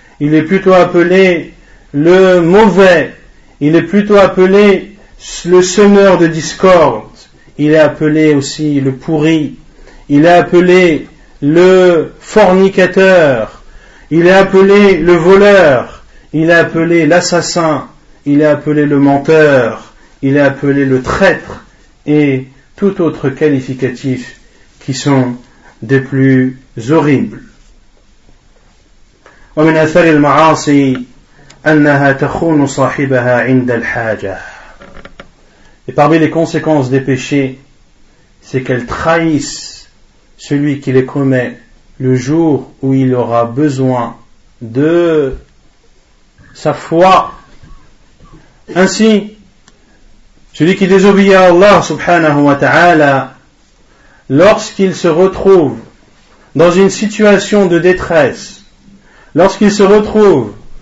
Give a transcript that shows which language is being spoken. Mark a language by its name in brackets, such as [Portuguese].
[French] il est plutôt appelé le mauvais, il est plutôt appelé le semeur de discorde, il est appelé aussi le pourri, il est appelé le fornicateur, il est appelé le voleur, il est appelé l'assassin, il est appelé le menteur, il est appelé le traître et tout autre qualificatif qui sont des plus horribles. [Arabic] ومن أثر المعاصي أنها تخون صاحبها عند الحاجة. [French] Et parmi les conséquences des péchés, c'est qu'elles trahissent celui qui les commet le jour où il aura besoin de sa foi. Ainsi, celui qui désobéit à Allah subhanahu wa ta'ala, lorsqu'il se retrouve dans une situation de détresse, lorsqu'il se retrouve